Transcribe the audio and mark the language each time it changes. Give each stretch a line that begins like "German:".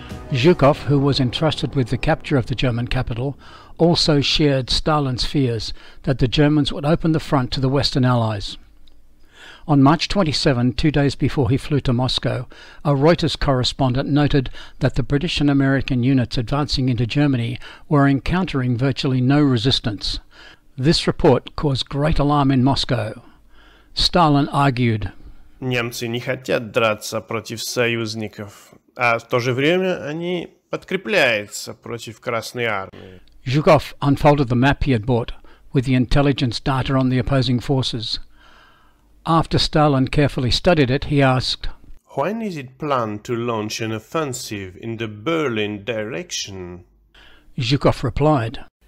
English: Zhukov, who was entrusted with the capture of the German capital, also shared Stalin's fears that the Germans would open the front to the Western Allies. On March 27, 2 days before he flew to Moscow, a Reuters correspondent noted that the British and American units advancing into Germany were encountering virtually no resistance. This report caused great alarm in Moscow. Stalin argued,
Russian: Немцы не хотят драться против союзников, а в то же время они подкрепляются против Красной Армии.
English: Zhukov unfolded the map he had bought with the intelligence data on the opposing forces. After Stalin carefully studied it, he asked, When is it planned to launch an offensive in the Berlin direction? Zhukov replied,